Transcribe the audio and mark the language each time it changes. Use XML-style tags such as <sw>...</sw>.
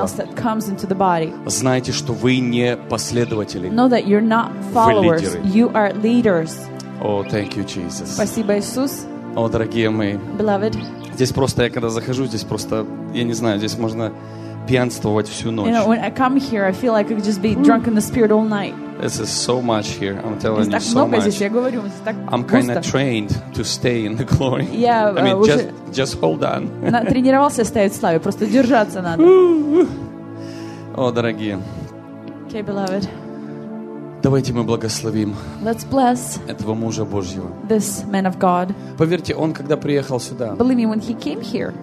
<en>Else that comes into the body.</en> <ru>Знаете, что вы не последователи.</ru> <en>Know that you're not followers.</en> <ru>Вы лидеры.</ru> <en>You are leaders. Oh, thank you, Jesus.</en> <ru>Спасибо, Иисус. О, дорогие мои.</ru> <en>Beloved.</en> <ru>Здесь просто, я когда захожу, здесь просто, я не знаю, здесь можно пьянствовать всю ночь.</ru> <en>You know, when I come here, I feel like I could just be drunk in the spirit all night. This is so much here. I'm telling</en> <ru>здесь</ru> <en>you so much.</en> <ru>Здесь, я говорю, здесь так</ru> <en>I'm kind of trained to stay in the glory. Yeah, I mean, just hold on.</en> <ru>Тренировался стоять в славе, просто держаться надо. О, дорогие.</ru> <en>Okay, beloved.</en> <ru>Давайте мы благословим</ru> <en>Let's bless</en> <ru>этого мужа Божьего.</ru> <en>This man of God.</en> <ru>Поверьте, он когда приехал сюда,</ru> <en>Believe me, when he came here,</en>